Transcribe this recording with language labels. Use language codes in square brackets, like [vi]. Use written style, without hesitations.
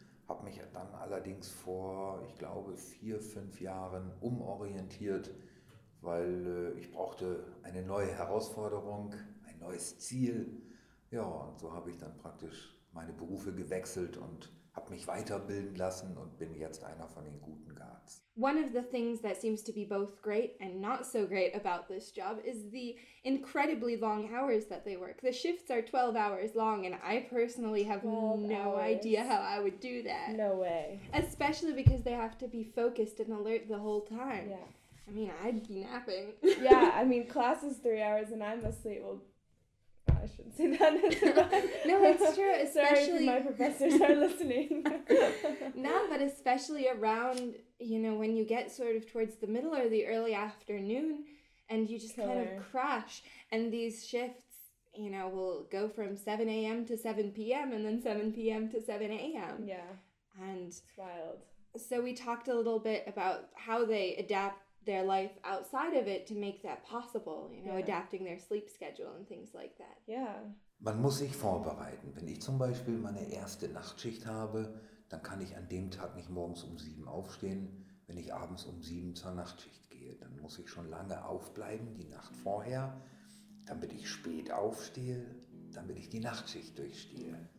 [de] Habe mich dann allerdings vor, ich glaube, 4, 5 Jahren umorientiert, weil ich brauchte eine neue Herausforderung, ein neues Ziel. Ja, und so habe ich dann praktisch meine Berufe gewechselt und habe mich weiterbilden lassen und bin jetzt einer von den guten Guards. [en] One of the things that seems to be both great and not so great about this job is the incredibly long hours that they work. The shifts are 12 hours long and I personally have no idea how I would do that. No way. Especially because they have to be focused and alert the whole time. Yeah. I mean, I'd be napping. Yeah, I mean, class is 3 hours and I'm asleep. Well, I shouldn't say that. No, it's true. Especially sorry if my professors are listening. No, but especially around, you know, when you get sort of towards the middle or the early afternoon and you just kind of crash and these shifts, you know, will go from 7 a.m. to 7 p.m. and then 7 p.m. to 7 a.m. Yeah. And it's wild. So we talked a little bit about how they adapt their life outside of it to make that possible, you know, adapting their sleep schedule and things like that. Yeah. [de] Man muss sich vorbereiten. Wenn ich zum Beispiel meine erste Nachtschicht habe, dann kann ich an dem Tag nicht morgens um 7 aufstehen. Wenn ich abends um 7 zur Nachtschicht gehe, dann muss ich schon lange aufbleiben, die Nacht vorher, damit ich spät aufstehe, damit ich die Nachtschicht durchstehe.